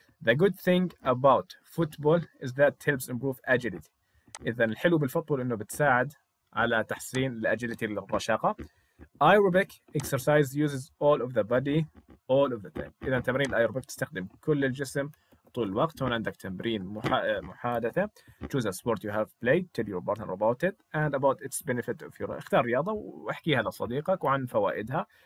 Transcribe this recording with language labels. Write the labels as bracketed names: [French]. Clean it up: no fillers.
[English] The good thing about football is that it helps improve agility. [Arabic] إذن الحلو بالفوتبول إنه بتساعد على تحسين الأجيليتي للرشاقة. [English] Aerobic exercise uses all of the body all of the time. [Arabic] إذن تمرين الأيروبيك تستخدم كل الجسم طول الوقت. هون عندك تمرين محادثة. [English] Choose a sport you have played. Tell your partner about it and about its benefit of your... [Arabic] اختار رياضة واحكيها لصديقك وعن فوائدها.